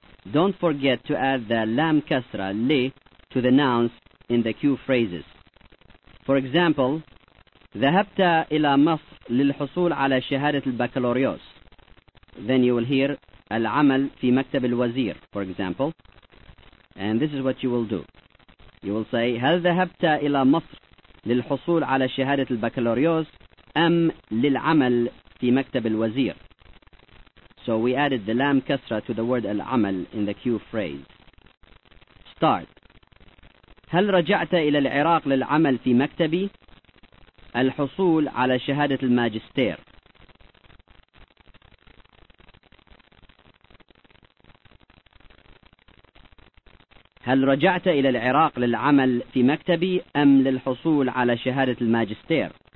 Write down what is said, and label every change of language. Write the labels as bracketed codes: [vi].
[en] Don't forget to add the lam kasra li to the nouns in the Q phrases. For example, [ar] ذهبت إلى مصر للحصول على شهادة البكالوريوس. [en] Then you will hear [ar] العمل في مكتب الوزير, [en] for example. And this is what you will do. You will say, [ar] هل ذهبت إلى مصر للحصول على شهادة البكالوريوس أم للعمل في مكتب الوزير? [en] So we added the lam kasra to the word al-amal in the Q phrase. Start. [ar] هل رجعت إلى العراق للعمل في مكتبي? الحصول على شهادة الماجستير. هل رجعت إلى العراق للعمل في مكتبي أم للحصول على شهادة الماجستير?